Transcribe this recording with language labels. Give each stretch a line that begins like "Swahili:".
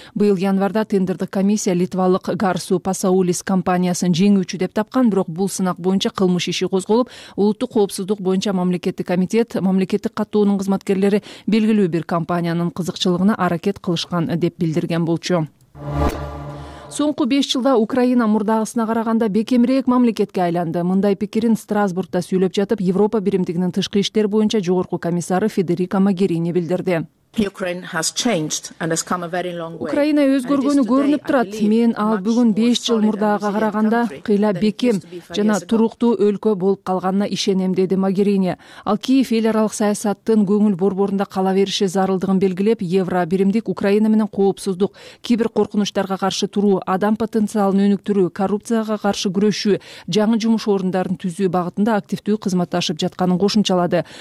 Kyrgyz: Быйыл январда тендердик комиссия литвалык Гарсу Пасаулис компаниясын жеңүүчү деп тапкан, бирок бул сынак боюнча кылмыш иши козголуп, улуттук коопсуздук боюнча мамлекеттик комитет мамлекеттик каттоонун кызматкерлери белгилүү бир компаниянын кызыкчылыгына аракет кылышкан деп билдирген болчу. Соңку 5 жылда Украина мурдагысына караганда бекемирээк мамлекетке айланды. Мындай пикирин Страсбургда сүйлөп жатып, Европа биримдигинин тышкы иштер боюнча жогорку комиссары Федерика Могерини билдирди.
English: Ukraine has changed and has come a very long way.
Kyrgyz: Украина өзгөргөнү көрүнүп турат. Мен ал бүгүн 5 жыл мурдагыга караганда кыйла бекем жана туруктуу өлкө болуп калганына ишенем, деди Могерини. Ал Киев эл аралык саясаттын көңүл борборунда кала бериши зарылдыгын белгилеп, Евро биримдик Украина менен коопсуздук, кибер коркунучтарга каршы туруу, адам потенциалын өнүктүрүү, коррупцияга каршы күрөшүү, жаңы жумуш орундарын түзүү багытында активдүү кызматташып жатканын кошумчалады.